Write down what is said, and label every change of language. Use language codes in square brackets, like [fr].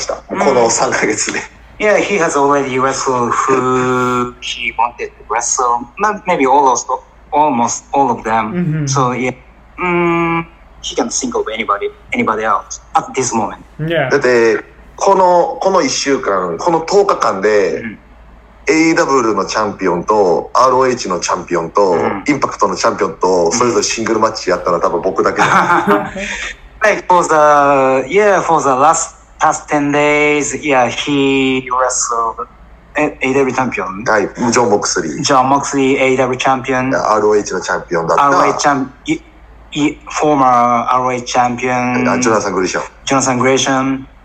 [en] Yeah, he has already wrestled who he wanted to wrestle. Maybe almost all of them. Mm-hmm. So yeah, he can think of anybody else at this moment. Yeah. [ja] この1週間、この10日間で、AEW のチャンピオンと ROH のチャンピオンと、インパクトのチャンピオンと、それぞれシングルマッチやったら多分僕だけだ。 [en] Like for the past 10 days, yeah, he wrestled AEW champion. [ja] はい、ジョン・モクスリー。 [en] ジョン・モクスリー、AEW champion。 [ja] ROH のチャンピオンだった。 [en] ROH former ROH champion。 [ja] ジョナサン・グリション。ジョナサン・グリション。